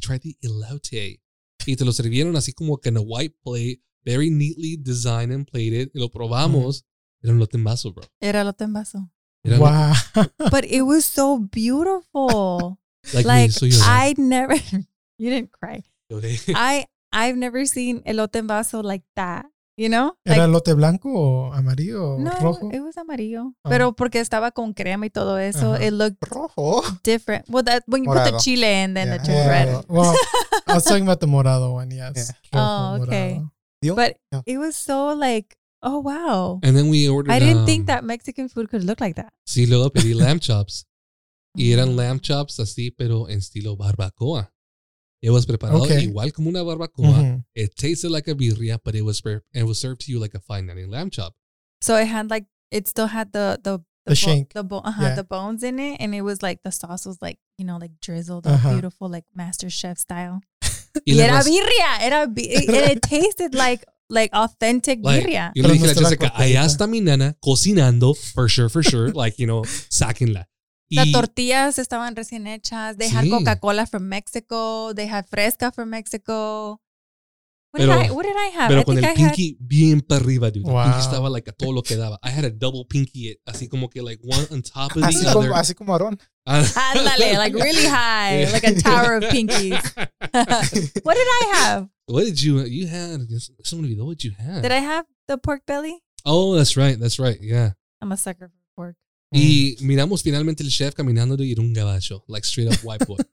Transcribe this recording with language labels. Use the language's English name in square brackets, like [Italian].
[English] Try the [Spanish] elote. Y te lo sirvieron así como que en [English] a white plate, very neatly designed and plated. [Spanish] Y lo probamos. Mm. Era un elote en vaso, bro. Era elote en vaso. Era wow. [English] But it was so beautiful. like me, so I never, you didn't cry. I've never seen [Spanish] elote en vaso [English] like that You know? [Spanish] Like, ¿era elote blanco o amarillo o no, rojo? [English] No, it was amarillo. Oh. [Spanish] Pero porque estaba con crema y todo eso, [English] it looked [Spanish] rojo. [English] Different. Well, that when you morado. Put the chile in, then it turned red. Well, I was talking about the morado one, yes. Yeah. Rojo, oh, okay. Morado. But it was so like, oh, wow. And then we ordered... I didn't think that Mexican food could look like that. [Spanish] Sí, luego pedí lamb chops. Y eran lamb chops así, pero en estilo barbacoa. [English] It was [Spanish] preparado igual como una barbacoa. Mm-hmm. [English] It tasted like a birria, but it was served to you like a fine dining lamb chop. So it had like, it still had the bones in it. And it was like, the sauce was like, you know, like drizzled, beautiful, like Master Chef style. [Spanish] Y era birria. [English] It tasted like authentic birria. [Spanish] Y le dije a Jessica, allá está mi nana cocinando, [English] for sure, [Spanish] like, you know, sáquenla. Las tortillas estaban recién hechas. [English] They had Coca-Cola from Mexico. They had Fresca from Mexico. What did I have? [Spanish] Pero con el pinky bien para arriba, dude. Wow. Pinky estaba like a todo lo que daba. [English] I had a double pinky, [Spanish] así como que [English] like one on top of the other. [Spanish] Así como Aaron. [English] Ándale, like really high, like a tower of pinkies. What did I have? What did you had? Someone even know what you had? Did I have the pork belly? Oh, that's right. Yeah. I'm a sucker for pork. [Spanish] Y miramos finalmente el chef caminando y era un gabacho, [English] like straight up white boy.